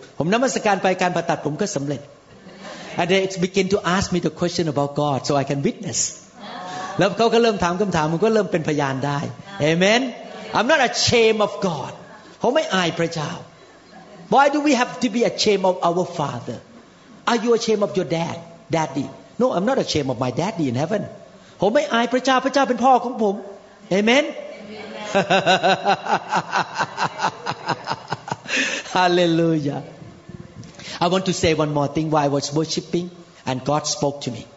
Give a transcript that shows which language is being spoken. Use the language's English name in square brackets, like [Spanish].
[Thai] ผมนมัสการไปการผ่าตัดผมก็สำเร็จ [English] And they begin to ask me the question about God, so I can witness. [Thai] แล้วเขาก็เริ่มถามคำถามผมก็เริ่มเป็นพยานได้ Amen. [English] I'm not ashamed of God. [Thai] ผมไม่อายพระเจ้า [English] Why do we have to be ashamed of our Father? Are you ashamed of your dad, daddy? No, I'm not ashamed of my daddy in heaven. [Thai] ผมไม่อายพระเจ้าเป็นพ่อของผม Amen. [English] Hallelujah. I want to say one more thing while I was worshiping and God spoke to me.